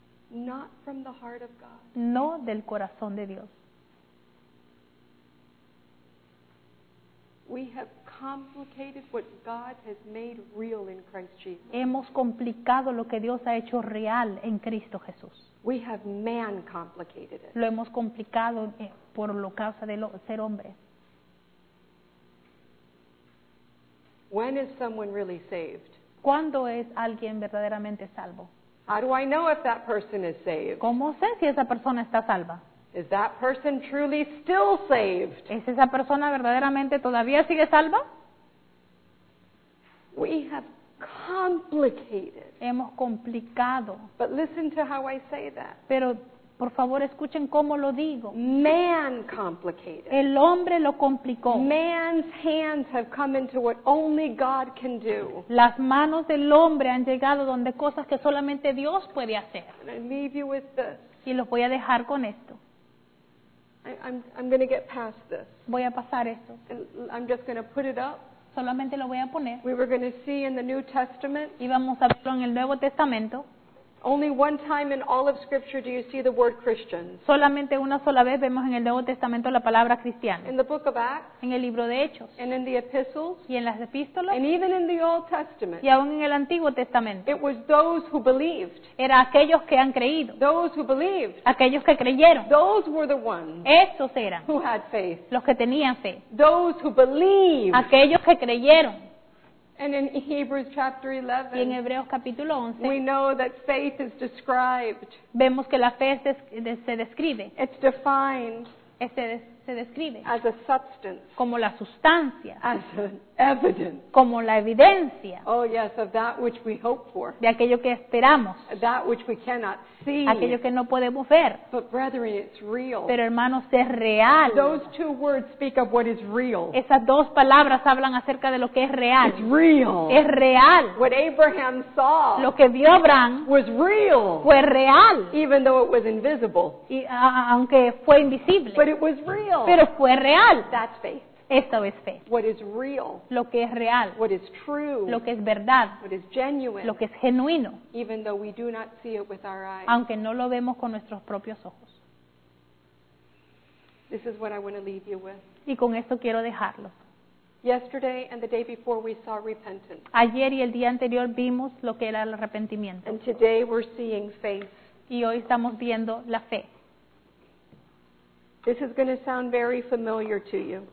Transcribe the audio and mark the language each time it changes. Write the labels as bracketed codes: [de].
[en] Not from the heart of God. [es] No del corazón de Dios. [en] We have complicated what God has made real in Christ Jesus. [es] Hemos complicado lo que Dios ha hecho real en Cristo Jesús. [en] We have man complicated it. [es] Lo hemos complicado por lo causa de ser hombre. [en] When is someone really saved? [es] ¿Cuándo es alguien verdaderamente salvo? [en] How do I know if that person is saved? [es] ¿Cómo sé si esa persona está salva? [en] Is that person truly still saved? [es] ¿Es esa persona verdaderamente todavía sigue salva? [en] We have complicated. [es] Hemos complicado. [en] But listen to how I say that. [es] Pero por favor escuchen cómo lo digo. [en] Man complicated. [es] El hombre lo complicó. [en] Man's hands have come into what only God can do. [es] Las manos del hombre han llegado donde cosas que solamente Dios puede hacer. [en] And I leave you with this. [es] Y los voy a dejar con esto. [en] I'm going to get past this. [es] Voy a pasar esto. [en] I'm just going to put it up. [es] Solamente lo voy a poner. [en] We were going to see in the New Testament. [es] Íbamos a verlo en el Nuevo Testamento. [en] Only one time in all of Scripture do you see the word Christians. [es] Solamente una sola vez vemos en el Nuevo Testamento la palabra cristiano. [en] In the Book of Acts. [es] En el libro de Hechos. [en] And in the Epistles. [es] Y en las epístolas. [en] And even in the Old Testament. [es] Y aún en el Antiguo Testamento. [en] It was those who believed. [es] Era aquellos que han creído. [en] Those who believed. [es] Aquellos que creyeron. [en] Those were the ones. [es] Esos eran. [en] Who had faith. [es] Los que tenían fe. [en] Those who believed. [es] Aquellos que creyeron. [en] And in Hebrews chapter 11, [es] y en Hebreos capítulo 11, [en] we know that faith is described. [es] Vemos que la fe se describe. [en] It's defined. [es] Se describe. [en] As a substance. [es] Como la sustancia. [en] As an evidence. [es] Como la evidencia. [en] Oh yes, of that which we hope for. [es] De aquello que esperamos. [en] That which we cannot see. [es] Aquello que no podemos ver. [en] But brethren, it's real. [es] Pero hermanos, es real. [en] Those two words speak of what is real. [es] Esas dos palabras hablan acerca de lo que es real. [en] It's real. [es] Es real. [en] What Abraham saw. [es] Lo que vio Abraham. [en] Was real. [es] Fue real. [en] Even though it was invisible. [es] Y aunque fue invisible. [en] But it was real. [es] Pero fue real. [en] That's faith. [es] Eso es fe. [en] What is real. [es] Lo que es real. [en] What is true. [es] Lo que es verdad. [en] What is genuine. [es] Lo que es genuino. [en] Even though we do not see it with our eyes. [es] Aunque no lo vemos con nuestros propios ojos. [en] This is what I want to leave you with. [es] Y con esto quiero dejarlo. [en] Yesterday and the day before we saw repentance. [es] Ayer y el día anterior vimos lo que era el arrepentimiento. [en] And today we're seeing faith. [es] Y hoy estamos viendo la fe. [en] This is going to sound very familiar to you.